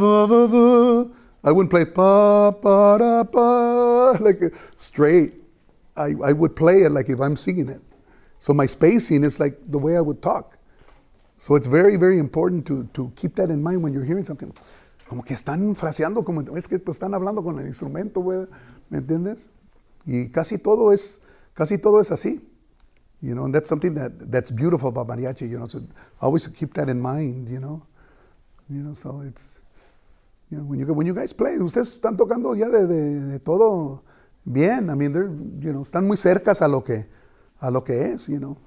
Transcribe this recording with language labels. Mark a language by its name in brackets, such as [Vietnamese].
[English] I wouldn't play it pa, pa, da, pa, like straight. I would play it like if I'm singing it. So my spacing is like the way I would talk. So it's very, very important to keep that in mind when you're hearing something. [Spanish] Como que están fraseando, como es que están hablando con el instrumento, güey, ¿me entiendes? Y casi todo es así. [English] You know, and that's something that's beautiful about mariachi, you know, so always keep that in mind, you know. You know, so it's, you know, when you guys play, [Spanish] ustedes están tocando ya de todo bien. [English] I mean, they're, you know, [Spanish] están muy cercas a lo que es, [English] you know.